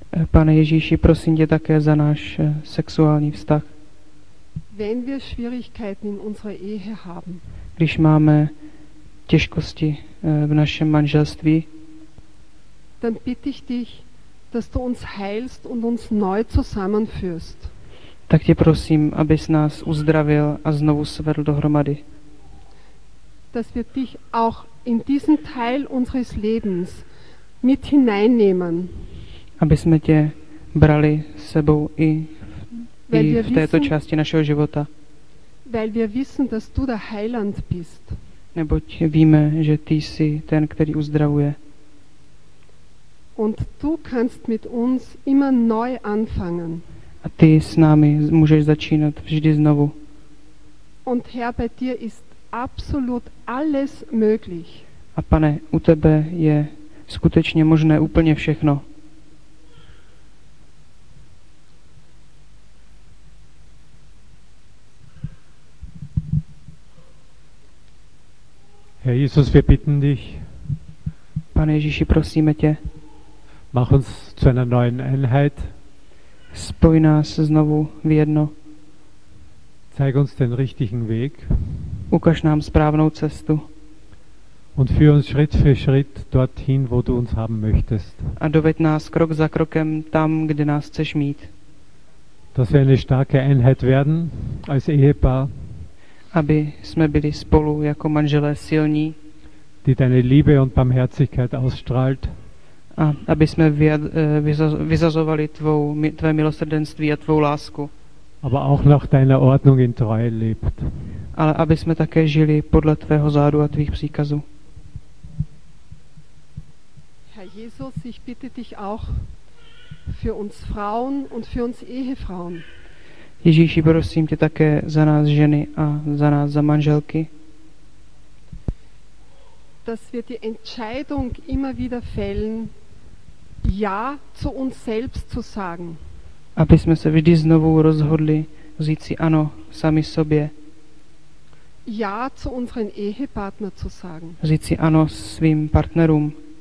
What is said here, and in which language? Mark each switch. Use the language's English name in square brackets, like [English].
[Czech] Pane Ježíši, prosím tě také za náš sexuální vztah. [German] Wenn wir Schwierigkeiten in unserer Ehe haben. [Czech] Když máme těžkosti v našem manželství. [German] Dann bitte ich dich, dass du uns heilst und uns neu zusammenführst. [Czech] Tak tě prosím, abys nás uzdravil a znovu svedl dohromady. [German] Dass wir dich auch in diesen Teil unseres Lebens mit hineinnehmen. [Czech] Aby jsme tě brali s sebou i v této části našeho života. [German] Weil wir wissen, dass du der Heiland bist. [Czech] Neboť víme, že ty jsi ten, který uzdravuje. [German] Und du kannst mit uns immer neu anfangen. [Czech] A ty s námi můžeš začínat vždy znovu. [German] Und Herr, bei dir ist absolut alles möglich. [Czech] A Pane, u tebe je skutečně možné úplně všechno. [German] Herr Jesus, wir bitten dich. [Czech] Pane Ježíši, prosíme tě. [German] Mach uns zu einer neuen Einheit. [Czech] Spoj nás znovu v jedno. [German] Zeig uns den richtigen Weg. [Czech] Ukaž nám správnou cestu. [German] Und führ uns Schritt für Schritt dorthin, wo du uns haben möchtest. [Czech] A doveď nás krok za krokem tam, kde nás chceš mít. [German] Dass wir eine starke Einheit werden als Ehepaar. [Czech] Aby jsme byli spolu jako manželé silní. [German] Die deine Liebe und Barmherzigkeit ausstrahlt. [Czech] A aby jsme vyzazovali tvé milosrdenství a tvou lásku. [German] Aber auch nach deiner Ordnung in Treue lebt. [Czech] Ale aby jsme také žili podle tvého zádu a tvých příkazů. [German] Herr Jesus, ich bitte dich auch für uns Frauen und für uns Ehefrauen. [Czech] Ježíši, prosím tě také za nás ženy a za nás za manželky. [German] Dass wir die Entscheidung immer wieder fällen, ja zu uns selbst zu sagen. [Czech] Aby jsme se vždy znovu rozhodli říct si ano sami sobě. [German] Ja zu unseren Ehepartner zu sagen. [Czech] Říct si ano svým partnerům.